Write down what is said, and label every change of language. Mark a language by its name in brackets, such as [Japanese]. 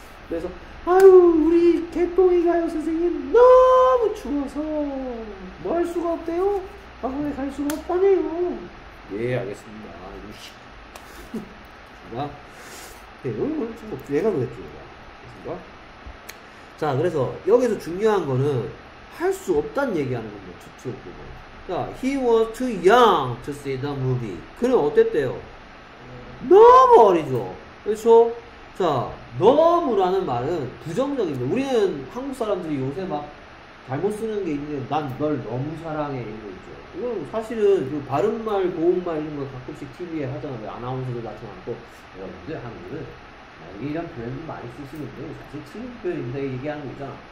[Korean] 그래서 아유 우리 개똥이가요 선생님 너무 추워서 뭐 할 수가 없대요? 학원에 갈 수가 없다네요. 예 알겠습니다. 그렇습니까? 네, 여기 내가 그랬죠. 그렇습니까? 자, 그래서 여기서 중요한 거는 할 수 없다는 얘기하는 겁니다. 좋죠. [English] 자, he was too young to see the movie. [Korean] 그럼 어땠대요? 너무 어리죠. 그렇죠? 자, 너무라는 말은 부정적입니다. 우리는 한국 사람들이 요새 막 잘못 쓰는 게 있는데, 난 널 너무 사랑해. 이런 거 있죠. 이건 사실은 그 발음말, 고음말 이런 거 가끔씩 TV에 하잖아요. 아나운서들 같이 많고. 여러분들, 한국은 이런 표현도 많이 쓰시는데, 사실 틀린 표현인데 얘기하는 거 있잖아.